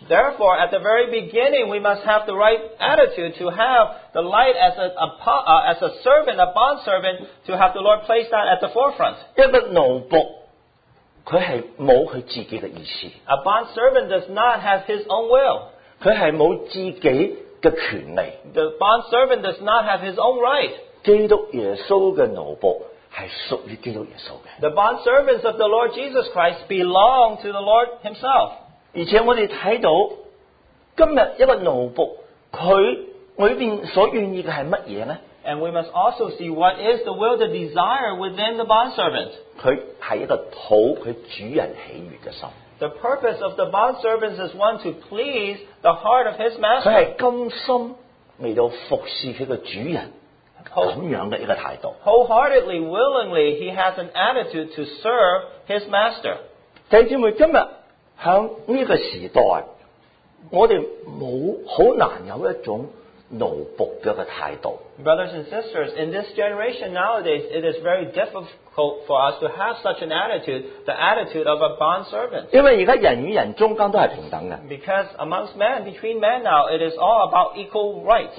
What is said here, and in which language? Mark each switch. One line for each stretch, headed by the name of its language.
English: Therefore, at the very beginning, we must have the right attitude to have the light as a servant, a bond servant, to have the Lord place that at the forefront.
Chinese: 一个奴仆, 他是没有他自己的意思,
English: a bond servant does not have his own will.
Chinese: 他是没有自己的权利,
English: the bond servant does not have his own right.
Chinese: 基督耶稣的奴仆是属于基督耶稣的,
English: the bond servants of the Lord Jesus Christ belong to the Lord himself.
Chinese: 而且我们看到今天一个奴仆, 他里面所愿意的是什么呢?
English: And we must also see what is the will, the desire within the bondservant. The purpose of the bondservant is one to please the heart of his master.
Chinese: 他是甘心来服侍他的主人,
English: wholeheartedly, willingly, he has an attitude to serve his master.
Chinese: 弟兄们,今天在这个时代, 我们没有很难有一种
English: Brothers and sisters, in this generation nowadays, it is very difficult for us to have such an attitude, the attitude of a bondservant. Because amongst men, between men now, it is all about equal rights.